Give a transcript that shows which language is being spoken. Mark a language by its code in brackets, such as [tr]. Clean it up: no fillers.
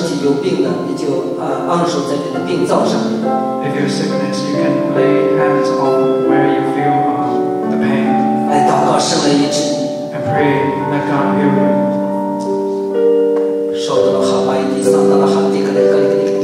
[zh] 我觉得你现在如果身体有病了，你就按手在你的病灶上。 [en] If you're sickness, you can lay hands on where you feel the pain. [zh] 来祷告神来医治。 [en] And pray that God heal you. 受到了哈巴伊迪桑达拉哈迪格雷格雷格雷。